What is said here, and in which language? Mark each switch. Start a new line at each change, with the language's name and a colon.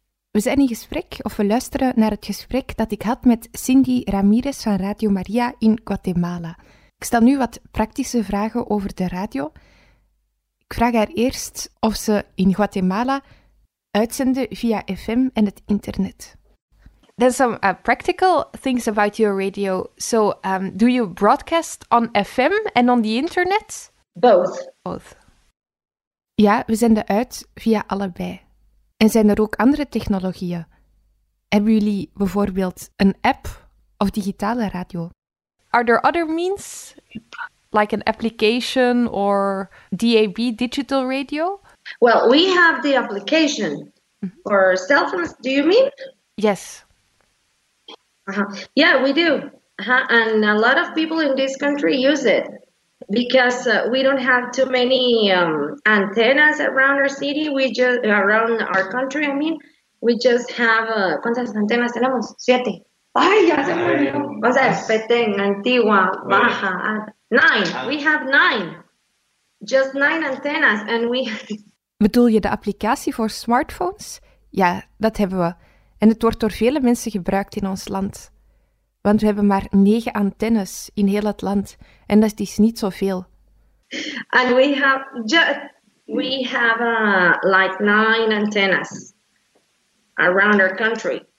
Dutch: We zijn in gesprek, of we luisteren naar het gesprek dat ik had met Cindy Ramirez van Radio Maria in Guatemala. Ik stel nu wat praktische vragen over de radio. Ik vraag haar eerst of ze in Guatemala uitzenden via FM en het internet.
English: There's some practical things about your radio. So, do you broadcast on FM and on the internet? Both. Ja, we zenden uit via allebei. En zijn er ook andere technologieën? Hebben jullie bijvoorbeeld een app of digitale radio? Are there other means, like an application or DAB, digital radio? Well, we have the application for cell phones, do you mean? Yes. Uh-huh. Yeah, we do. Uh-huh. And a lot of people in this country use it. Because we don't have too many antennas around our city, we just have
Spanish: ¿cuántas antenas tenemos? Siete. Ay, ya se murió. O sea, Petén, Antigua, Baja,
English: nine. We have nine. Just nine antennas, and we.
Dutch: Bedoel je de applicatie voor smartphones? Ja, dat hebben we. En het wordt door vele mensen gebruikt in ons land. Want we hebben maar 9 antennes in heel het land. En dat is niet zoveel.
English: And we have like 9 antennas around our country.